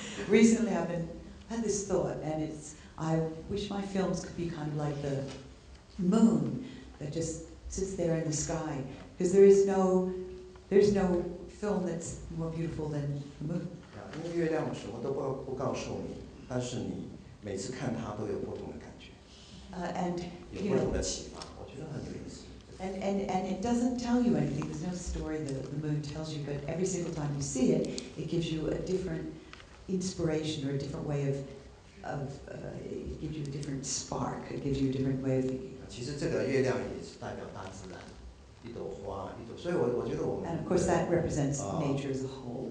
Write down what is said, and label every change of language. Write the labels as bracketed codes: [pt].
[en] Recently, I've been had this thought, and it's I wish my films could be kind of like the moon that just sits there in the sky, because there's no film that's more beautiful than the moon. [zh] Yeah, 因为月亮什么都不告诉你，但是你每次看它都有不同的感觉。 [en] And [zh] 有不同的启发，我觉得很有意思。 [en] And it doesn't tell you anything. There's no story that the moon tells you, but every single time you see it, it gives you a different inspiration or a different way of it gives you a different spark. It gives you a different way of thinking. [zh] 其实这个月亮也是代表大自然，一朵花，一朵。所以我觉得我们 [en] And of course that represents nature as a whole.